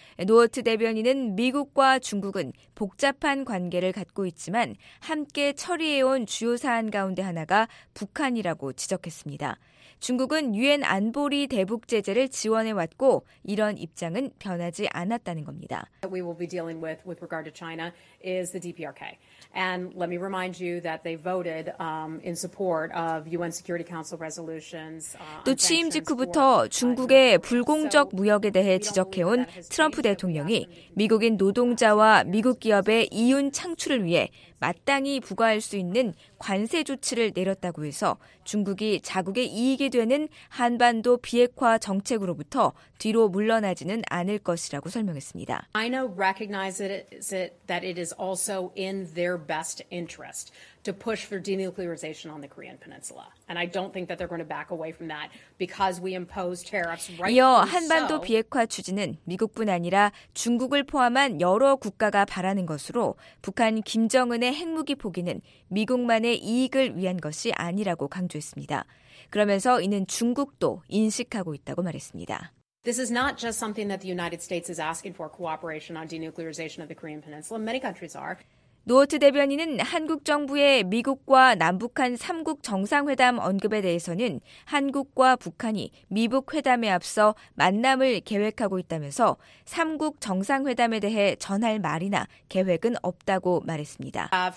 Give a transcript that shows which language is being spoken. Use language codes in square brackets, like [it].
[ko] 노어트 대변인은 미국과 중국은 복잡한 관계를 갖고 있지만 함께 처리해온 주요 사안 가운데 하나가 북한이라고 지적했습니다. 중국은 유엔 안보리 대북 제재를 지원해왔고 이런 입장은 변하지 않았다는 겁니다. [en] We will be dealing with regard to China is the DPRK. And let me remind you that they voted in support of UN Security Council resolutions. [ko] 또 취임 직후부터 중국의 불공정 무역에 대해 지적해온 트럼프 대통령이 미국인 노동자와 미국 기업의 이윤 창출을 위해 마땅히 부과할 수 있는 관세 조치를 내렸다고 해서 중국이 자국의 이익이 되는 한반도 비핵화 정책으로부터 뒤로 물러나지는 않을 것이라고 설명했습니다. [en] China recognizes that it is also in their best interest to push for denuclearization on the Korean Peninsula. And I don't think that they're going to back away from that because we impose tariffs right. [ko] 이어 한반도 비핵화 추진은 미국뿐 아니라 중국을 포함한 여러 국가가 바라는 것으로 북한 김정은의 핵무기 포기는 미국만의 이익을 위한 것이 아니라고 강조했습니다. 그러면서 이는 중국도 인식하고 있다고 말했습니다. [en] This is not just something that the United States is asking for cooperation on denuclearization of the Korean Peninsula. Many countries are. [ko] 노어트 대변인은 한국 정부의 미국과 남북한 3국 정상회담 언급에 대해서는 한국과 북한이 미북 회담에 앞서 만남을 계획하고 있다면서 3국 정상회담에 대해 전할 말이나 계획은 없다고 말했습니다.